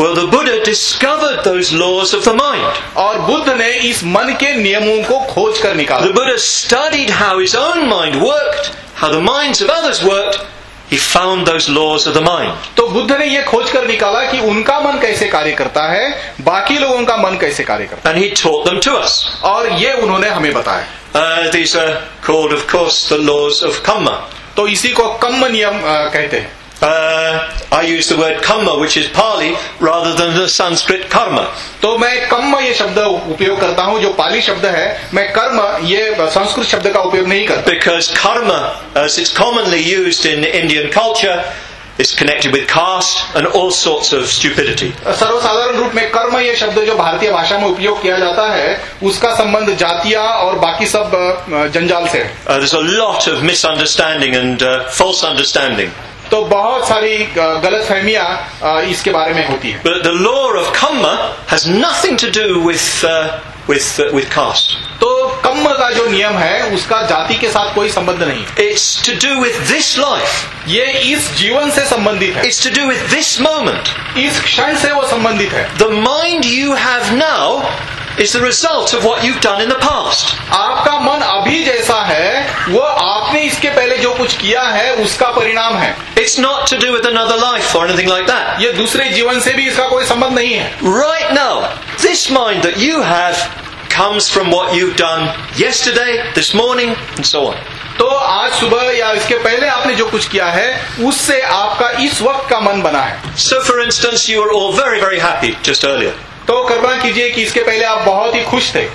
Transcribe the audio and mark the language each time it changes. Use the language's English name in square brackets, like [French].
[English] Well, the Buddha discovered those laws of the mind. [Hindi] और बुद्ध ने इस मन के नियमों को खोज कर निकाला. [English] The Buddha studied how his own mind worked, how the minds of others worked. He found those laws of the mind. [Hindi] तो बुद्ध ने ये खोज कर निकाला कि उनका मन कैसे कार्य करता है, बाकी लोगों का मन कैसे कार्य करता है. [English] And he taught them to us. [Hindi] और ये उन्होंने हमें बताया. [English] These are called, of course, the laws of karma. [Hindi] तो इसी को कर्म नियम कहते हैं. [English] I use the word karma, which is Pali, rather than the Sanskrit karma. [Hindi] तो मैं कर्म ये शब्द उपयोग करता हूँ जो पाली शब्द है. मैं कर्म ये संस्कृत शब्द का उपयोग नहीं करता. [English] Because karma, as it's commonly used in Indian culture, is connected with caste and all sorts of stupidity. [Hindi] सर्वसाधारण रूप में कर्म ये शब्द जो भारतीय भाषा में उपयोग किया जाता है उसका संबंध जातियां और बाकी सब जंजाल से. [English] There's a lot of misunderstanding and false understanding. [Hindi] तो बहुत सारी गलतफहमियां इसके बारे में होती है. [English] But the law of karma has nothing to do with caste. [Hindi] तो कर्म का जो नियम है उसका जाति के साथ कोई संबंध नहीं. [English] It's to do with this life. [Hindi] ये इस जीवन से संबंधित है. [English] It's to do with this moment. [Hindi] इस क्षण से वो संबंधित है. [English] The mind you have now is the result of what you've done in the past. [Hindi] आपका मन अभी जैसा है वो आपने इसके पहले जो कुछ किया है उसका परिणाम है. [English] It's not to do with another life or anything like that. [Hindi] ये दूसरे जीवन से भी इसका कोई संबंध नहीं है. [English] Right now, this mind that you have comes from what you've done yesterday, this morning, and so on. [Hindi] तो आज सुबह या इसके पहले आपने जो कुछ किया है उससे आपका इस वक्त का मन बना है. [English] So for instance, you were all very, very happy just earlier. [Hindi] तो कल्पना कीजिए कि इसके पहले आप बहुत ही खुश थे.